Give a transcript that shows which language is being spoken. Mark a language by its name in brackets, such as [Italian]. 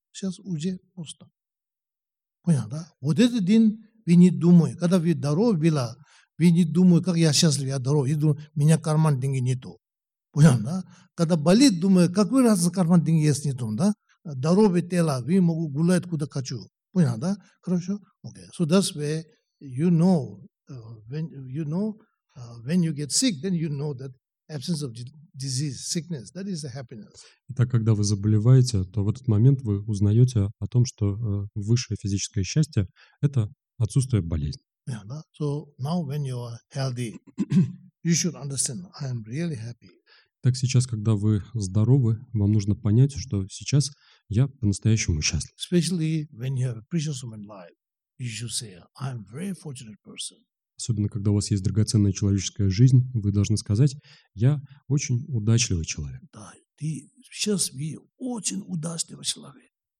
[Russian] Сейчас уже просто. Понятно, да? Вот этот день вы не думаете. Когда вы здоровы были, вы не думаете, как я счастлив, я здоров. Я думаю, у меня карман деньги нету. Понятно, да? Когда болит, думаю, какой раз карман деньги есть нету, да? Здоровое тело, вы могу гулять куда хочу. Понятно, да? Хорошо? Okay. [English] So that's where when you get sick, then you know that absence of disease, sickness, that is the happiness. [Russian] Итак, когда вы заболеваете, то в этот момент вы узнаете о том, что высшее физическое счастье – это отсутствие болезни. [English] Yeah, [Russian] да? [English] So now when you are healthy, you should understand, I am really happy. [Russian] Так сейчас, когда вы здоровы, вам нужно понять, что сейчас я по-настоящему счастлив. [English] Especially when you have a precious human life, you should say, I am a very fortunate person. [Russian] Особенно, когда у вас есть драгоценная человеческая жизнь, вы должны сказать, я очень удачливый человек. Да, ты сейчас очень удачливый человек.